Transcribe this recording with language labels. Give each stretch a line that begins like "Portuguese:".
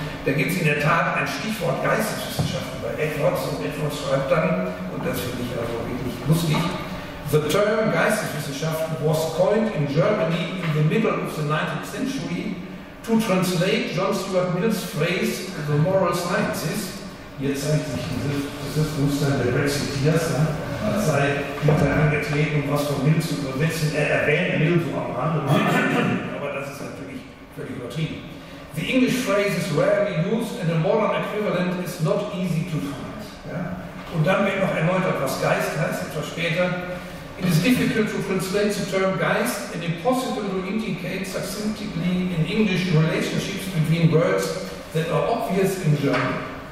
German: Da gibt es in der Tat ein Stichwort Geisteswissenschaften bei Edwards, und Edwards schreibt dann, und das finde ich also wirklich lustig:
English: "The term Geisteswissenschaften was coined in Germany in the middle of the 19th century to translate John Stuart Mill's phrase, the moral sciences."
German: Jetzt zeigt sich dieses Muster der Brexiteers, ne? Als sei Peter angetreten, was von Mill zu übersetzen. Er erwähnt Mill so am Rande, aber das ist natürlich völlig übertrieben.
English: "The English phrase is rarely used and a modern equivalent is not easy to find."
German: Ja? Und dann wird noch erläutert, was Geist heißt, etwas später.
English: "It is difficult to translate the term Geist and impossible to indicate succinctly in English relationships between words that are obvious in German."